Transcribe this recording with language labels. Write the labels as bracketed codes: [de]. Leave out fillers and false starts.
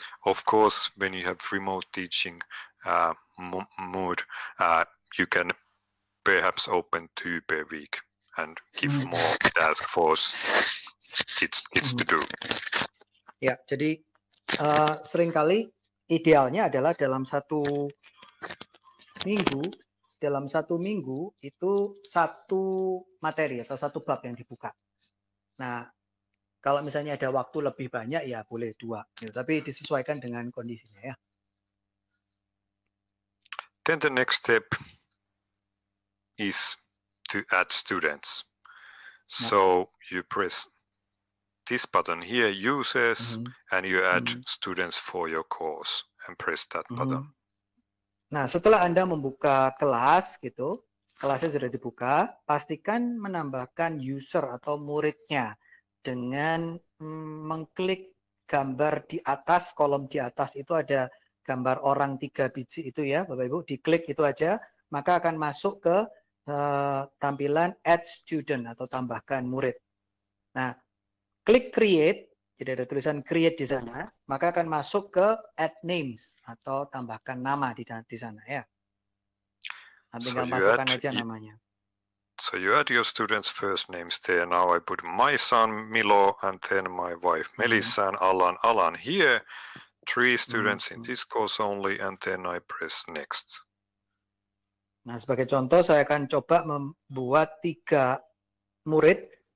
[en] Of course, when you have remote teaching mood, you can perhaps open two per week. And give more task force it's to do. [id] Ya, jadi seringkali idealnya adalah dalam satu minggu itu satu materi atau satu bab yang dibuka. Nah, kalau misalnya ada waktu lebih banyak ya boleh dua, gitu. Tapi disesuaikan dengan kondisinya ya. [en] Then the next step is to add students. So you press this button here, users, and you add students for your course, and press that button. [id] Nah, setelah Anda membuka kelas, gitu, kelasnya sudah dibuka, pastikan menambahkan user atau muridnya dengan mengklik gambar di atas, kolom di atas itu ada gambar orang 3 biji itu ya, Bapak-Ibu, diklik itu aja, maka akan masuk ke tampilan add student atau tambahkan murid. Nah, klik create, jadi ada tulisan create di sana, maka akan masuk ke add names atau tambahkan nama di sana ya. Nanti so masukkan aja namanya. [en] So you add your students' first names there. Now I put my son Milo and then my wife Melissa and Alan here. Three students in this course only and then I press next. [id] Nah, sebagai contoh, saya akan coba membuat tiga murid.